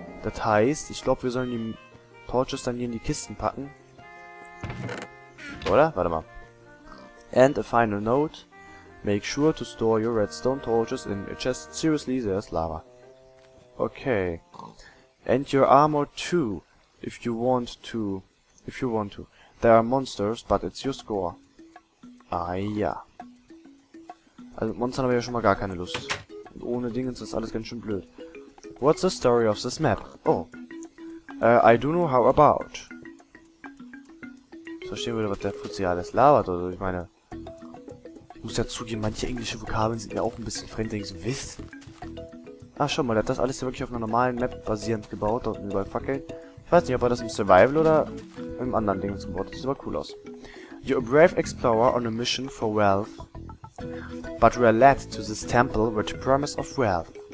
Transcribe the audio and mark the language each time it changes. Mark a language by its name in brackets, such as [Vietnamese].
[German] Das heißt, ich glaube, wir sollen die Torches dann hier in die Kisten packen. Oder? Warte mal. [English] And a final note. Make sure to store your redstone torches in a chest. Seriously, there's lava. Okay. And your armor too. If you want to. If you want to. There are monsters, but it's your score. [German] Ah ja. Also mit Monstern haben wir ja schon mal gar keine Lust. Und ohne Dingens ist alles ganz schön blöd. [English] What's the story of this map? Oh. I don't know how about. [German] Ich verstehe wieder, was der Fuzzi alles labert, oder? Ich meine. Ich muss ja zugeben, manche englische Vokabeln sind ja auch ein bisschen fremdlich, so wisst. Ach, schau mal, der hat das alles hier wirklich auf einer normalen Map basierend gebaut, dort überall Fackeln. Ich weiß nicht, ob er das im Survival oder im anderen Ding zum Wort. Das sieht aber cool aus. [English] You're a brave explorer on a mission for wealth, but we're led to this temple with the promise of wealth.